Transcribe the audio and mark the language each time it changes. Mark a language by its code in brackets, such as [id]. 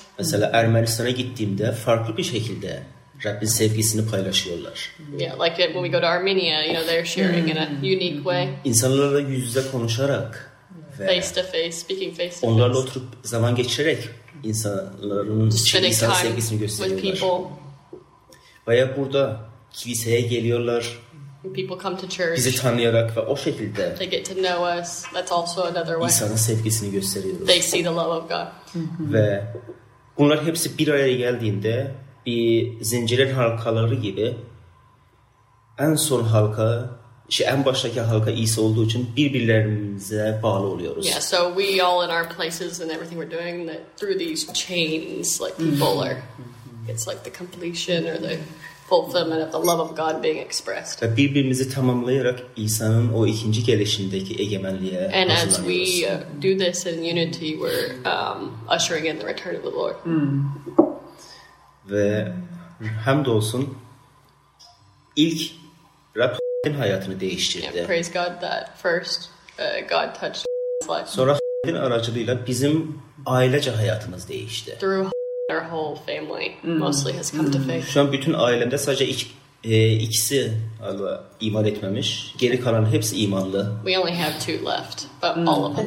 [tr] Mesela Ermenistan'a gittiğimde farklı bir şekilde Rabbin sevgisini paylaşıyorlar. [en] Yeah, like when we go to Armenia, you know, they're sharing in a unique way. [tr] İnsanlarla yüz yüze konuşarak ve [en] face to face, speaking face to face. [tr] Onlarla oturup zaman geçirerek insanların insan sevgisini gösteriyorlar. [en] With people. [tr] Veya burada kiliseye geliyorlar. [en] People come to church. [tr] Bizi tanıyarak ve o şekilde. [en] They get to know us. That's also another way. [tr] İnsanın sevgisini gösteriyoruz. [en] They see the love of God. [tr] Ve bunlar hepsi bir araya geldiğinde bir zincirin halkaları gibi en son halka, şey en baştaki halka İsa olduğu için birbirlerimize bağlı oluyoruz. [en] Yeah, so we all in our places and everything we're doing that through these chains, like people are, it's like the completion or the fulfillment of the love of God being expressed. [tr] Ve birbirimizi tamamlayarak İsa'nın o ikinci gelişindeki egemenliğe hazırlanıyoruz. [en] And as we do this in unity, we're ushering in the return of the Lord. [tr] Ve hamdolsun ilk Rab'in hayatını değiştirdi. [en] Yeah, praise God that first God touched his life. [tr] Sonra Rab'in aracılığıyla bizim ailece hayatımız değişti. [en] Through our whole family mostly has come to faith. [tr] Şu an bütün ailemde sadece ikisi iman etmemiş. Geri kalan hepsi imanlı. [en] We only have two left, but all of them.